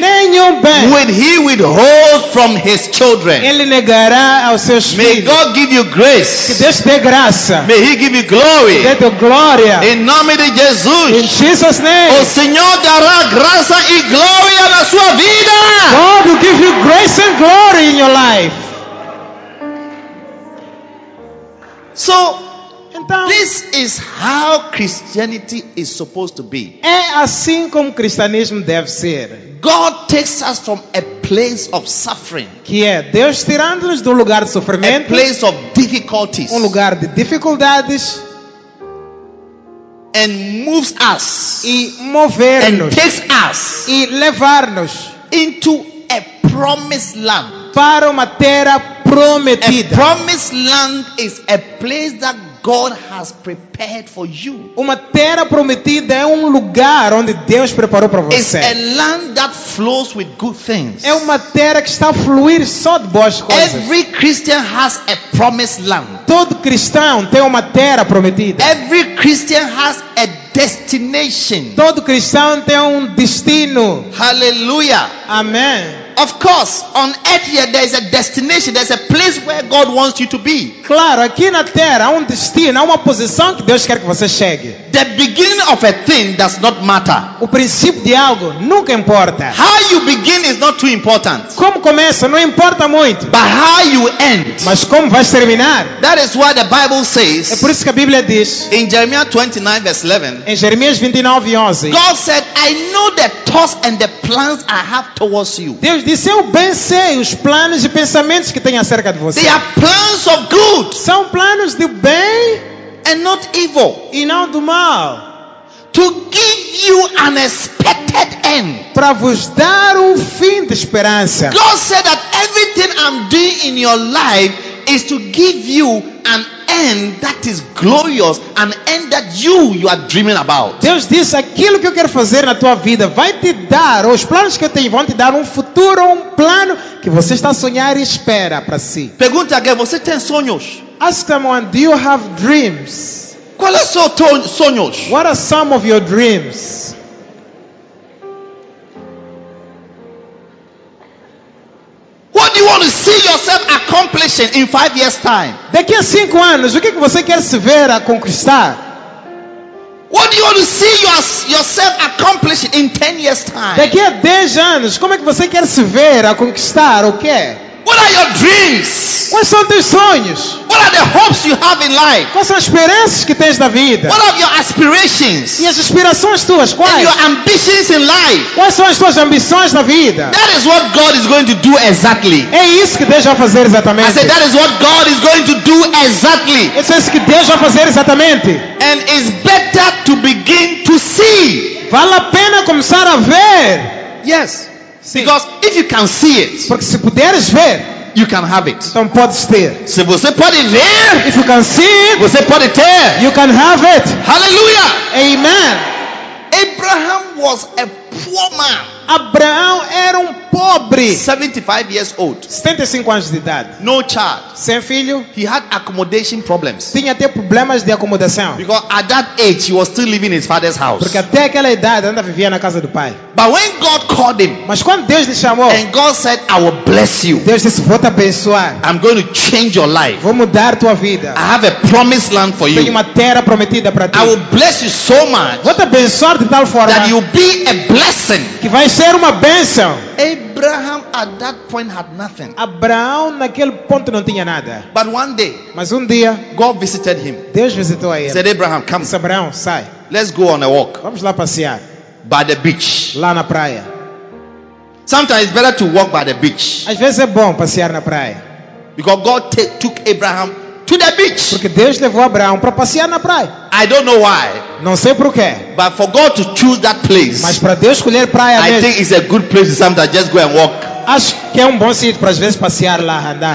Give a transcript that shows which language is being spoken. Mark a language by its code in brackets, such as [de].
[pt] Nenhum bem. [en] Will he withhold from his children? [pt] Ele negará aos seus filhos. [en] May God give you grace. [pt] Que Deus dê graça. [en] May he give you glory. [pt] Que dê glória. Em nome de Jesus. [en] In Jesus name. [pt] O Senhor dará graça e glória na sua vida. [en] God will give you grace and glory in your life. So, [pt] então, [en] this is how Christianity is supposed to be. [pt] É assim como o cristianismo deve ser. [en] God takes us from a place of suffering. [pt] Que é Deus tirando-nos do lugar de sofrimento. [en] A place of difficulties. [pt] Um lugar de dificuldades. [en] And moves us. [pt] E mover-nos. [en] And takes us. [pt] E levar-nos. [en] Into a promised land. [pt] Para uma terra prometida. [en] A promised land is a place that God has prepared for you. [pt] Uma terra prometida é um lugar onde Deus preparou para você. [en] It's a land that flows with good things. [pt] É uma terra que está a fluir só de boas coisas. [en] Every Christian has a promised land. [pt] Todo cristão tem uma terra prometida. [en] Every Christian has a destination. [pt] Todo cristão tem um destino. [en] Hallelujah. [pt] Amen. [en] Of course, on earth here there is a destination. There's a place where God wants you to be. [pt] Claro, aqui na terra há um destino, há uma posição que Deus quer que você chegue. [en] The beginning of a thing does not matter. [pt] O princípio de algo nunca importa. [en] How you begin is not too important. [pt] Como começa não importa muito. [en] But how you end. [pt] Mas como vai terminar? [en] That is what the Bible says. [pt] É por isso que a Bíblia diz. [en] In Jeremiah 29 verse 11. [pt] Em Jeremias 29:11. [en] God said, "I know the thoughts and the plans I have towards you." [pt] Deus disse, eu bem sei os planos e pensamentos que tenho acerca de você. [en] They are plans of good. [pt] São planos de bem. [en] And not evil. [pt] E não do mal. [en] To give you an expected end. [pt] Para vos dar um fim de esperança. [en] God said that everything I'm doing in your life is to give you an end that is glorious, an end that you are dreaming about. [pt] Deus disse, aquilo que eu quero fazer na tua vida vai te dar, os planos que eu tenho vão te dar um futuro, um plano que você está a sonhar e espera para si. Pergunta alguém, você tem sonhos? [en] Ask someone, do you have dreams? [pt] Qual é seu sonhos? [en] What are some of your dreams? What do you want to see yourself accomplishing in 5 years time? [pt] Daqui a 5 anos, o que você quer se ver a conquistar? [en] What do you want to see yourself accomplishing in 10 years time? [pt] Daqui a 10 anos, como é que você quer se ver a conquistar o quê? [en] What are your dreams? [pt] Quais são teus sonhos? [en] What are the hopes you have in life? [pt] Quais são as esperanças que tens na vida? [en] What are your aspirations? [pt] E as aspirações tuas, quais? [en] And your ambitions in life? [pt] Quais são as tuas ambições na vida? [en] That is what God is going to do exactly. [pt] É isso que Deus vai fazer exatamente. [en] I said that is what God is going to do exactly. [pt] É isso que Deus vai fazer exatamente. [en] And it's better to begin to see. [pt] Vale a pena começar a ver. [en] Yes. [pt] Sim. [en] Because if you can see it, [pt] porque se puderes ver, [en] you can have it. [pt] Então podes ter. Se você pode ver, [en] if you can see it, [pt] você pode ter. [en] You can have it. Hallelujah. [pt] Amen. [en] Abraham was a poor man. [pt] Abraão era um pobre. [en] 75 years old. [pt] 75 anos de idade. [en] No child. [pt] Sem filho. [en] He had accommodation problems. [pt] Tinha até problemas de acomodação. [en] Because at that age he was still living in his father's house. [pt] Porque até aquela idade ainda vivia na casa do pai. [en] But when God called him, [pt] mas quando Deus lhe chamou, [en] and God said, "I will bless you." [pt] Deus disse, vou te abençoar. [en] I'm going to change your life. [pt] Vou mudar tua vida. [en] I have a promised land for you. [pt] Tenho uma terra prometida para ti. [en] I will bless you so much. [pt] Vou te abençoar de tal forma [en] that you'll be a blessing. [pt] Que vai ser uma bênção. [en] Abraham at that point had nothing. [pt] Abraão naquele ponto não tinha nada. [en] But one day, [pt] mas um dia, [en] God visited him. [pt] Deus visitou a ele. [en] He said, "Abraham, come." [pt] Disse, Abraão, sai. [en] Let's go on a walk. [pt] Vamos lá passear. [en] By the beach. [pt] Lá na praia. [en] Sometimes it's better to walk by the beach. [pt] Às vezes é bom passear na praia. [en] Because God took Abraham to the beach. [pt] Porque Deus levou Abraão para passear na praia. [en] I don't know why. [pt] Não sei por quê. [en] But for God to choose that place. [pt] Mas para Deus escolher praia mesmo. [en] I think it's a good place to sometimes just go and walk. [pt] Acho que é um bom sítio para às vezes passear lá andar.